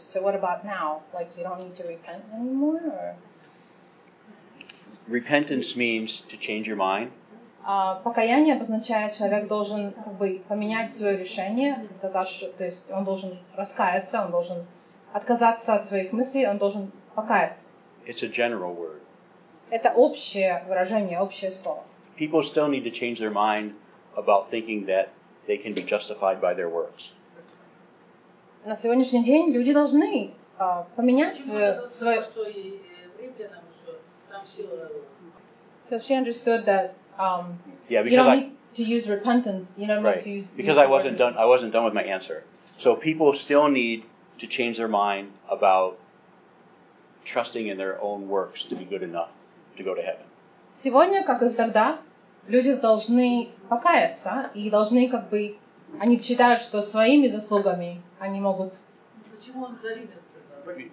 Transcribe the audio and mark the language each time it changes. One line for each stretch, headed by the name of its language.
English: So what about now? Like you don't need to repent anymore? Or? Repentance means to change your mind.
Russian: Покаяние обозначает, человек должен как бы поменять свое решение, отказаться, то есть он должен раскаяться, он должен отказаться от своих мыслей, он должен покаяться.
English: It's a general word.
Russian: Это общее выражение, общее слово.
English: people still need to change their mind about thinking that they can be justified by their works.
Russian: На сегодняшний день люди должны поменять свое... Что и в римлянам, что там сила...
English: So she understood that you don't need to use repentance. You don't need to use... Because I wasn't done with my answer. So people still need to change their mind about trusting in their own works to be good enough to go to heaven.
Russian: Сегодня, как и тогда, люди должны покаяться и должны как бы... Они считают, что своими заслугами они могут... Почему он за римлян сказал?